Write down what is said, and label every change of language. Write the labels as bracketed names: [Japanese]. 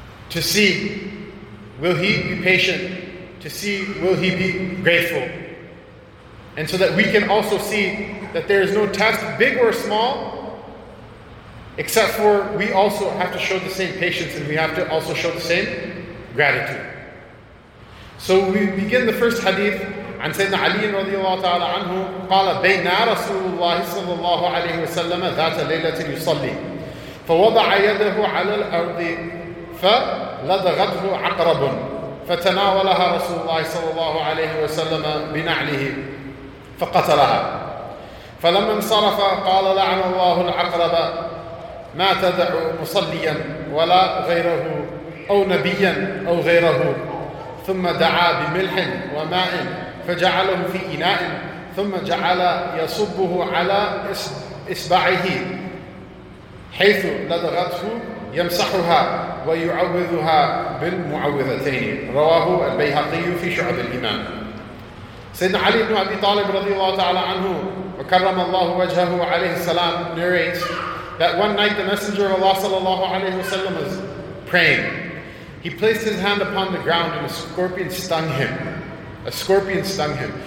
[English] To see, will he be patient? To see, will he be grateful? And so that we can also see that there is no test, big or small, except for we also have to show the same patience and we have to also show the same gratitude. So we begin the first hadith [Arabic] عن سيدنا علي رضي الله تعالى عنه قال بينا رسول الله صلى الله عليه وسلم ذات ليلة يصلي فوضع يده على الأرض فلدغته عقرب فتناولها رسول الله صلى الله عليه وسلم بنعله فقتلها فلما انصرف قال لعن الله العقرب ما تدع مصليا ولا غيره أو نبيا أو غيره ثم دعا بملح وماء فجعله في إناء ثم جعل يصبه على إصبعه حيث لدغته يمسحها ويعوذها بالمعوذتين رواه البيهقي في شعب الإمام. سيدنا علي بن أبي طالب رضي الله تعالى عنه وكرم الله وجهه عليه السلام [English] narrates that one night the Messenger of Allah sallallahu alayhi wa sallam was praying. He placed his hand upon the ground and a scorpion stung him. A scorpion stung him.